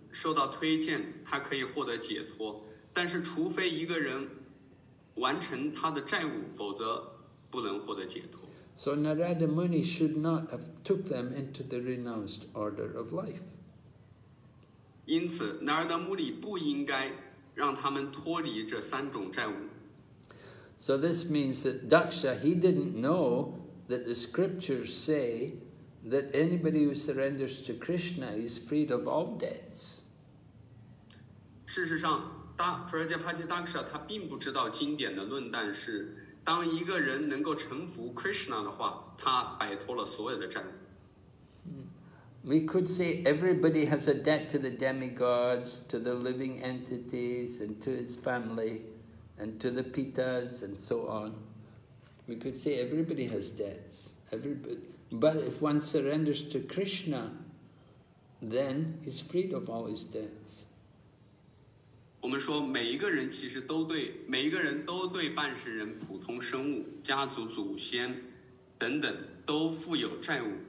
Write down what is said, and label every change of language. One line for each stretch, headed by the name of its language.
Chinese: 受到推荐，他可以获得解脱，但是除非一个人完成他的债务，否则不能获得解脱。
English: So Narada Muni should not have took them into the renounced order of life.
Chinese: 因此 ，Narada Muni 不应该让他们脱离这三种债务。
English: So this means that Daksha he didn't know that the scriptures say. That anybody who surrenders to Krishna is freed of all debts.
Chinese: 事实上，大 Prajapati Daksha 他并不知道经典的论断是，当一个人能够臣服 Krishna 的话，他摆脱了所有的债务。
English: We could say everybody has a debt to the demigods, to the living entities, and to his family, and to the Pitas, and so on. We could say everybody has debts. Everybody. But if one surrenders to Krishna, then he's freed of all his debts.
Chinese: 我们说每一个人其实都对每一个人都对半神人普通生物家族祖先等等都负有债务。